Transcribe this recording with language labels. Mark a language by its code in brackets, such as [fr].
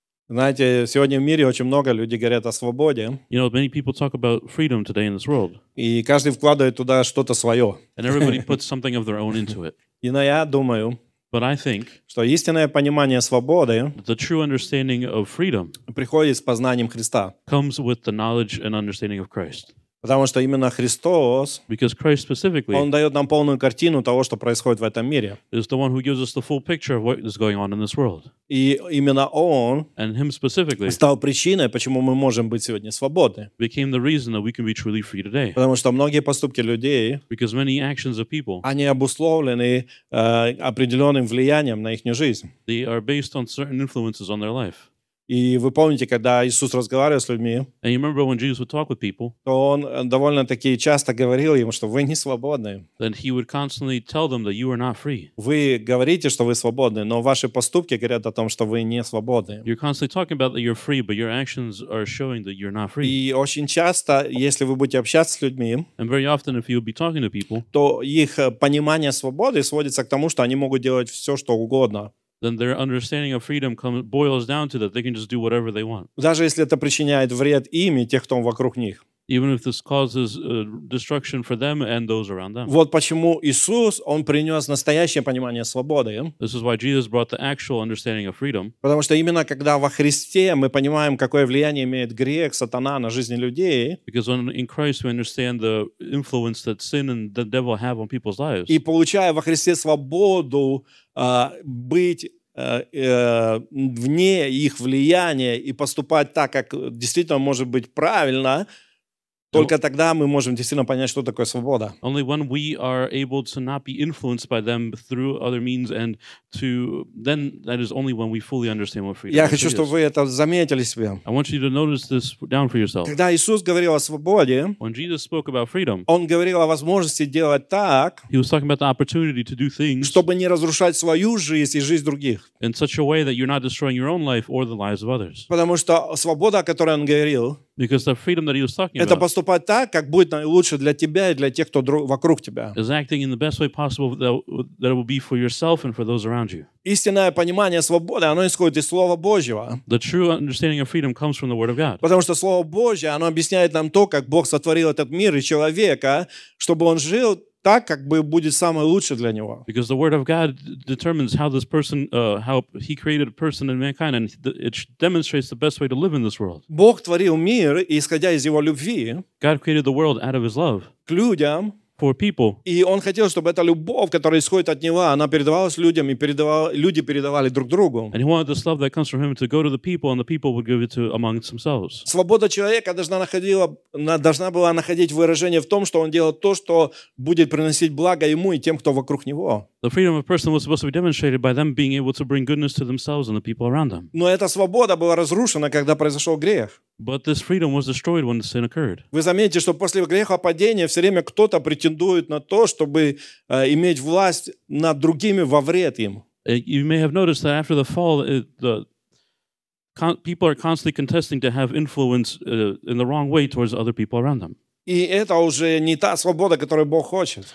[ru] Знаете, сегодня в мире очень много людей говорят о свободе. [en] You know, many people talk about freedom today in this world. [ru] И каждый вкладывает туда что-то свое. [en] And everybody puts something of their own into it. [ru] И я думаю, [en] But I think, [ru] что истинное понимание свободы [en] the true understanding of freedom [ru] приходит с познанием Христа. [en] Comes with the knowledge and understanding of Christ. [ru] Потому что именно Христос, [en] Because Christ specifically, [ru] Он дает нам полную картину того, что происходит в этом мире. [en] Is the one who gives us the full picture of what is going on in this world. [ru] И именно Он [en] And him specifically, [ru] стал причиной, почему мы можем быть сегодня свободны. [en] Became the reason that we can be truly free today. [ru] Потому что многие поступки людей, [en] Because many actions of people, [ru] они обусловлены определенным влиянием на их жизнь. [en] They are based on certain influences on their life. [ru] И вы помните, когда Иисус разговаривал с людьми, [en] And you remember when Jesus would talk with people, [ru] то Он довольно-таки часто говорил им, что вы не свободны. [en] Then he would constantly tell them that you are not free. [ru] Вы говорите, что вы свободны, но ваши поступки говорят о том, что вы не свободны. [en] You're constantly talking about that you're free, but your actions are showing that you're not free. [ru] И очень часто, если вы будете общаться с людьми, [en] And very often, if you'll be talking to people, [ru] то их понимание свободы сводится к тому, что они могут делать все, что угодно. [en] Then their understanding of freedom boils down to that they can just do whatever they want. [ru] Даже если это причиняет вред им и тех, кто вокруг них. [en] Even if this causes destruction for them and those around them. [ru] Вот почему Иисус, Он принес настоящее понимание свободы. [en] This is why Jesus brought the actual understanding of freedom. [ru] Потому что именно когда во Христе мы понимаем, какое влияние имеет грех, сатана на жизни людей. [en] Because when in Christ we understand the influence that sin and the devil have on people's lives. [ru] И получая во Христе свободу быть вне их влияния и поступать так, как действительно может быть правильно, только тогда мы можем действительно понять, что такое свобода. [en] Only when we are able to not be influenced by them through other means and to then that is only when we fully understand what freedom is. [ru] Я хочу, чтобы вы это заметили себе. [en] I want you to notice this down for yourself. [ru] Когда Иисус говорил о свободе, [en] when Jesus spoke about freedom, [ru] Он говорил о возможности делать так, [en] He was talking about the opportunity to do things, [ru] чтобы не разрушать свою жизнь и жизнь других. [en] In such a way that you're not destroying your own life or the lives of others. [ru] Потому что свобода, о которой Он говорил, [en] Because the freedom that he was talking [ru] это [en] about [ru] поступать так, как будет лучше для тебя и для тех, кто вокруг тебя. [en] Is acting in the best way possible that it will be for yourself and for those around you. [ru] Истинное понимание свободы, оно исходит из Слова Божьего. [en] The true understanding of freedom comes from the Word of God. [ru] Потому что Слово Божье, оно объясняет нам то, как Бог сотворил этот мир и человека, чтобы он жил так, как бы будет самое лучшее для него. [en] Because the Word of God determines how this person, how He created a person and mankind, and it demonstrates the best way to live in this world. [ru] Бог творил мир, исходя из Его любви. [en] God created the world out of His love. [ru] К людям. [en] For people. [ru] И Он хотел, чтобы эта любовь, которая исходит от Него, она передавалась людям, и люди передавали друг другу. [en] And He wanted this love that comes from Him to go to the people, and the people would give it to amongst themselves. [ru] Свобода человека должна была находить выражение в том, что он делал то, что будет приносить благо ему и тем, кто вокруг него. [en] The freedom of a person was supposed to be demonstrated by them being able to bring goodness to themselves and the people around them. [ru] Но эта свобода была разрушена, когда произошел грех. [en] But this freedom was destroyed when the sin occurred. [ru] Вы заметите, что после грехопадения все время кто-то претендует на то, чтобы иметь власть над другими во вред им. [en] You may have noticed that after the fall, people are constantly contesting to have influence in the wrong way towards other people around them. [ru] И это уже не та свобода, которую Бог хочет.